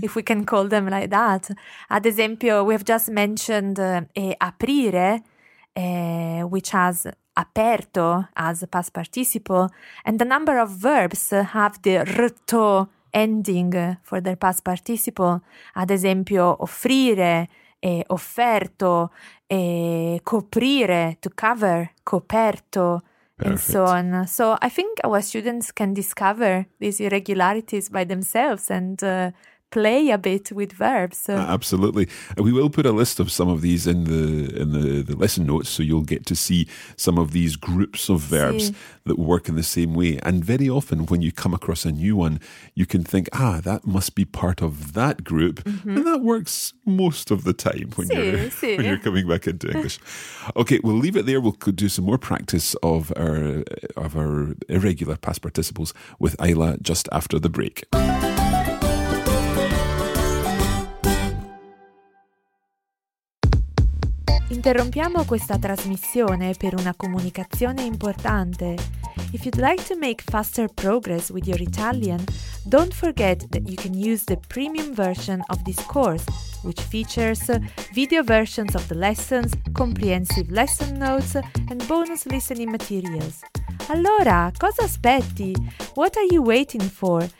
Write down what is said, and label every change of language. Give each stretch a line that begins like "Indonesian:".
English: if we can call them like that.
Italian: Ad esempio,
English: we have just mentioned aprire, which has aperto as a past participle, and a number of verbs have the rto ending for their past participle.
Italian: Ad esempio, offrire, e offerto, e coprire,
English: to cover,
Italian: coperto,
English: perfect. And so on. So I think our students can discover these irregularities by themselves and play a bit with verbs. Absolutely. We will put a list of some of these in the lesson notes, so you'll get to see some of these groups of verbs
Italian: sì.
English: that work in the same way. And very often when you come across a new one, you can think, ah, that must be part of that group. Mm-hmm. And that works most of the time when,
Italian: sì,
English: you're,
Italian: sì.
English: when you're coming back into English. Okay, we'll leave it there. We'll do some more practice of our irregular past participles with Ayla just after the break.
Italian: Interrompiamo questa trasmissione per una comunicazione importante.
English: If you'd like to make faster progress with your Italian, don't forget that you can use the premium version of this course, which features video versions of the lessons, comprehensive lesson notes, and bonus listening materials.
Italian: Allora, cosa aspetti?
English: What are you waiting for?